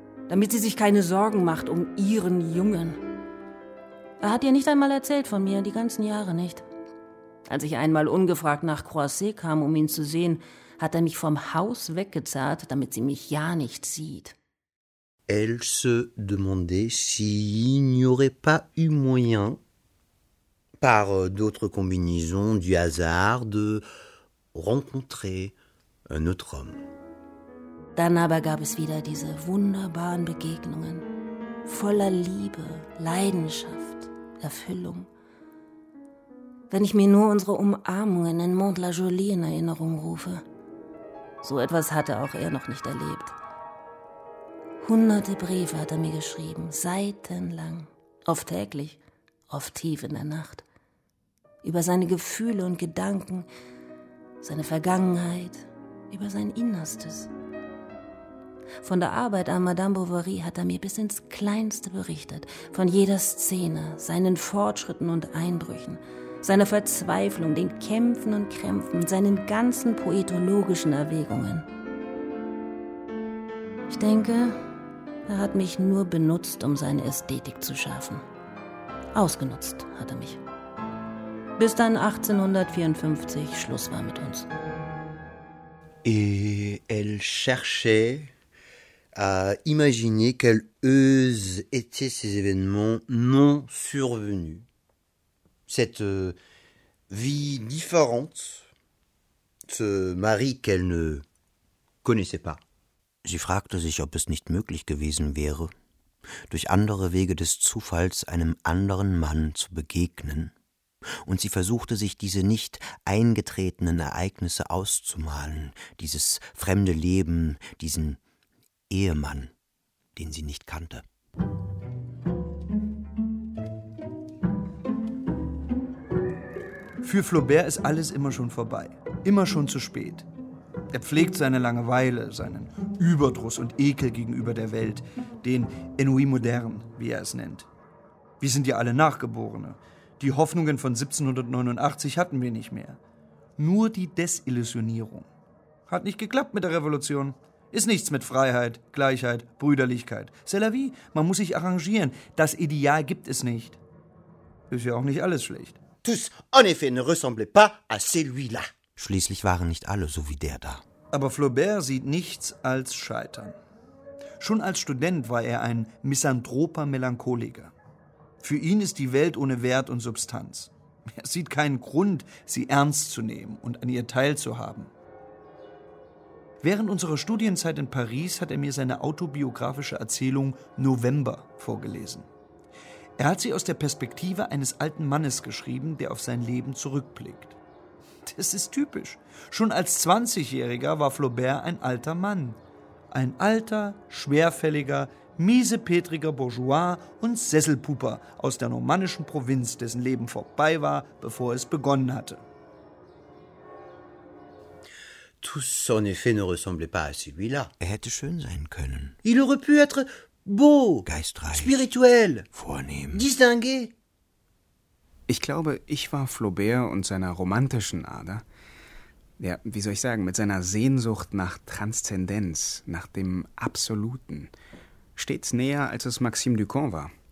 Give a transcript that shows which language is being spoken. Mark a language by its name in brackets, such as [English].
[German] Damit sie sich keine Sorgen macht um ihren Jungen. Er hat ihr nicht einmal erzählt von mir, die ganzen Jahre nicht. Als ich einmal ungefragt nach Croisset kam, um ihn zu sehen, hat er mich vom Haus weggezerrt, damit sie mich ja nicht sieht. [French] Elle se demandait s'il n'y aurait pas eu moyen, par d'autres combinaisons du hasard, de rencontrer un autre homme. [German] Dann aber gab es wieder diese wunderbaren Begegnungen, voller Liebe, Leidenschaft, Erfüllung. Wenn ich mir nur unsere Umarmungen in Mont-la-Jolie in Erinnerung rufe, so etwas hatte auch er noch nicht erlebt. Hunderte Briefe hat er mir geschrieben, seitenlang, oft täglich, oft tief in der Nacht, über seine Gefühle und Gedanken, seine Vergangenheit, über sein Innerstes. Von der Arbeit an Madame Bovary hat er mir bis ins Kleinste berichtet, von jeder Szene, seinen Fortschritten und Einbrüchen, seiner Verzweiflung, den Kämpfen und Krämpfen, seinen ganzen poetologischen Erwägungen. Ich denke, er hat mich nur benutzt, um seine Ästhetik zu schärfen. Ausgenutzt hat er mich. Bis dann 1854 Schluss war mit uns. [French] Et elle cherchait à imaginer quels eussent été ces événements non survenus. Cette vie différente, ce mari qu'elle ne connaissait pas. [German] Sie fragte sich, ob es nicht möglich gewesen wäre, durch andere Wege des Zufalls einem anderen Mann zu begegnen, und sie versuchte sich diese nicht eingetretenen Ereignisse auszumalen, dieses fremde Leben, diesen Ehemann, den sie nicht kannte. Für Flaubert ist alles immer schon vorbei, immer schon zu spät. Er pflegt seine Langeweile, seinen Überdruss und Ekel gegenüber der Welt, den Ennui moderne, wie er es nennt. Wir sind ja alle Nachgeborene. Die Hoffnungen von 1789 hatten wir nicht mehr. Nur die Desillusionierung. Hat nicht geklappt mit der Revolution. Ist nichts mit Freiheit, Gleichheit, Brüderlichkeit. [French] C'est la vie, [German] man muss sich arrangieren. Das Ideal gibt es nicht. Ist ja auch nicht alles schlecht. [French] Tous, en effet, ne ressemblaient pas à celui-là. [German] Schließlich waren nicht alle so wie der da. Aber Flaubert sieht nichts als Scheitern. Schon als Student war er ein misanthroper Melancholiker. Für ihn ist die Welt ohne Wert und Substanz. Er sieht keinen Grund, sie ernst zu nehmen und an ihr teilzuhaben. Während unserer Studienzeit in Paris hat er mir seine autobiografische Erzählung November vorgelesen. Er hat sie aus der Perspektive eines alten Mannes geschrieben, der auf sein Leben zurückblickt. Das ist typisch. Schon als 20-Jähriger war Flaubert ein alter Mann. Ein alter, schwerfälliger, miesepetriger Bourgeois und Sesselpuper aus der normannischen Provinz, dessen Leben vorbei war, bevor es begonnen hatte. [French] Tous en effet ne ressemblait pas à celui-là. [German] Er hätte schön sein können. [French] Il aurait pu être beau, [German] geistreich, [French] spirituel, [German] vornehm, [French] distingué. [German] Ich glaube, ich war Flaubert und seiner romantischen Ader, ja, wie soll ich sagen, mit seiner Sehnsucht nach Transzendenz, nach dem Absoluten, stets näher, als es Maxime Ducamp war.